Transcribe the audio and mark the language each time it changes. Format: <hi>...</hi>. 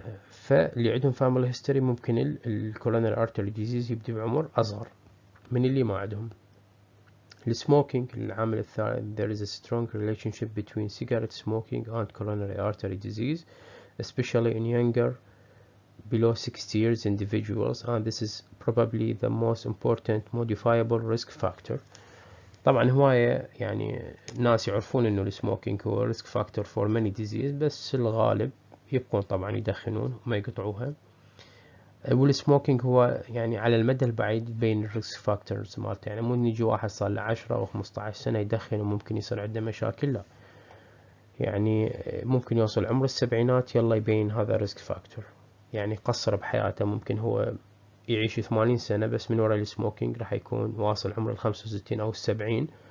<ar>فاللي عندهم فاميلي هيستوري ممكن الكورونري ارتري ديزيز يبدي بعمر اصغر من اللي ما عندهم. السموكينج العامل الثالث،</ar> <en>there is a strong relationship between cigarette smoking and coronary artery disease especially in younger below 60 years individuals and this is probably the most important modifiable risk factor.</en> <ar>طبعا هواية يعني ناس يعرفون انه السموكينج هو</ar> <en>risk factor for many disease،</en> <ar>بس الغالب يبقون طبعا يدخنون وما يقطعوها. والسموكينج هو يعني على المدى البعيد بين الريسك فاكتورز مالته، يعني مو نيجي واحد صار له 10 او 15 سنه يدخن وممكن يصير عنده مشاكل، لا يعني ممكن يوصل عمر السبعينات يلا يبين هذا ريسك فاكتور، يعني قصر بحياته، ممكن هو يعيش 80 سنه بس من وراء السموكينج راح يكون واصل عمر ال 65 او السبعين.</ar>